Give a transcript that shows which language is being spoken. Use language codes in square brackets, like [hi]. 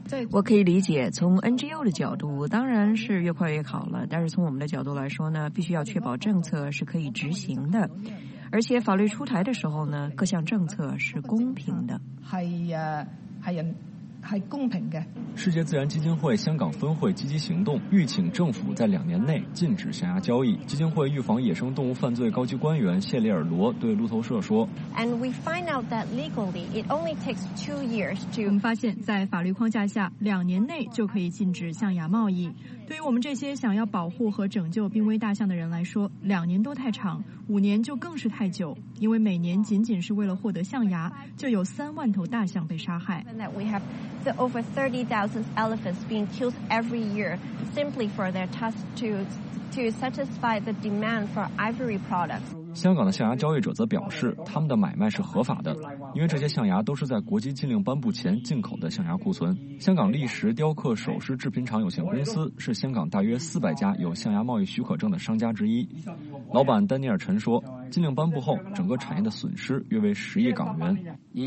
[zh] 我可以理解，从 NGO 的角度当然是越快越好了，但是从我们的角度来说呢，必须要确保政策是可以执行的，而且法律出台的时候呢，各项政策是公平的。还公平的。世界自然基金会香港分会积极行动，欲请政府在2年内禁止象牙交易。基金会预防野生动物犯罪高级官员谢利尔罗对路透社说 [en] ：“And we find out that legally it only takes 2 years to [zh] 我们发现，在法律框架下，2年内就可以禁止象牙贸易。对于我们这些想要保护和拯救濒危大象的人来说，2年都太长，5年就更是太久。因为每年仅仅是为了获得象牙，就有30,000头大象被杀害。” [en] The over 30,000 elephants being killed every year simply for their tusks to satisfy the demand for ivory products. [zh] 香港的象牙交易者则表示，他们的买卖是合法的，因为这些象牙都是在国际禁令颁布前进口的象牙库存。香港砾石雕刻首饰制品厂有限公司是香港大约400家有象牙贸易许可证的商家之一。老板丹尼尔陈说，禁令颁布后，整个产业的损失约为10亿港元。